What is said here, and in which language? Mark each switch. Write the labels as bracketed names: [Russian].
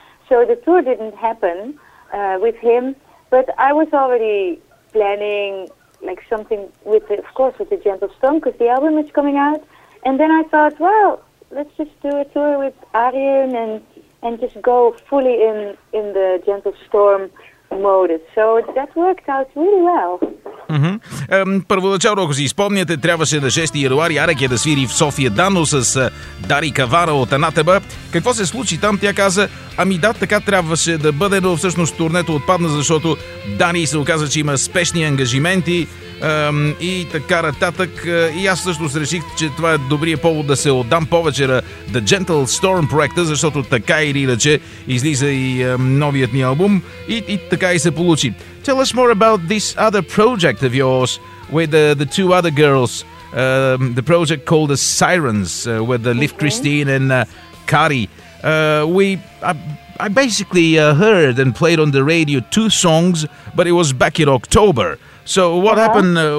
[English] So the tour didn't happen with him. But I was already planning like something with the Gentle Storm because the album is coming out. And then I thought, well, let's just do a tour with Arjen and just go fully in the Gentle Storm mode. So that worked out really well. [Bulgarian] Първоначално, ако си спомняте, трябваше на 6 януари Аракия да свири в София Дано с Дари Кавара от Анатеба. Какво се случи там? Тя каза, ами да, така трябваше да бъде, но всъщност турнето отпадна, защото Дани се оказа, че има спешни ангажименти и така нататък. И аз всъщност реших, че това е добрия повод да се отдам повече на The Gentle Storm проекта, защото така или иначе излиза и новият ни албум. И така и се получи. [English] Tell us more about this other project of yours with the two other girls. The project called The Sirens with Liv Christine and Kari. I basically heard and played on the radio two songs, but it was back in October. So what happened?